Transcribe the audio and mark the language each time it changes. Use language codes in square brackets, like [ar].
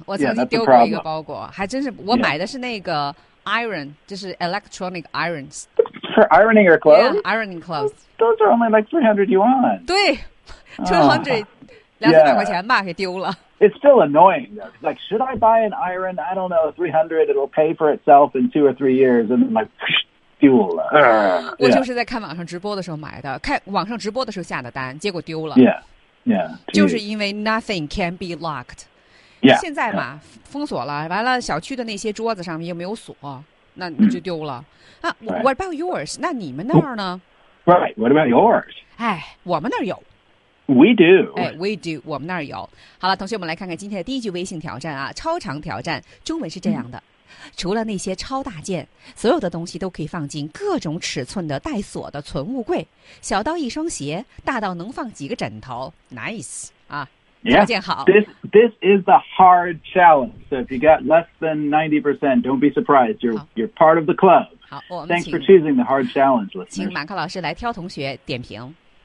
[zh] 我曾经丢过一个包裹，还真是我买的是那个 iron， 就是 electronic irons [en] for ironing your clothes. Yeah, ironing clothes. Those are only like 300 yuan. [zh] 对 ，200 200块钱吧，给丢了。 [en] It's still annoying though. Like, should I buy an iron? I don't know. 300, it'll pay for itself in 2 or 3 years, and then like. [zh] 丢了，我就是在看网上直播的时候买的，看网上直播的时候下的单，结果丢了。 [en] Yeah, [zh] 就是因为 [en] nothing can be locked. Yeah, [zh] 现在嘛， [en] yeah. [zh] 封锁了，完了小区的那些桌子上面又没有锁，那你就丢了。 Mm. 啊 [en] ，What about yours? [zh] 那你们那儿呢 [en] ？Right, what about yours? [zh] 哎，我们那儿有。 [en] We do. [zh] 哎 ， [en] We do. [zh] 我们那儿有。好了，同学，我们来看看今天的第一句微信挑战啊，超长挑战，中文是这样的。 Mm. 除了那些超大件，所有的东西都可以放进各种尺寸的带锁的存物柜，小到一双鞋，大到能放几个枕头。 Nice 啊，条件好。 [en] Yeah, this is a hard challenge. So if you got less than 90%, don't be surprised. You're part of the club. [zh] 好，我们 [en] Thanks for choosing the hard challenge, listeners. [zh] 请马克老师来挑同学点评。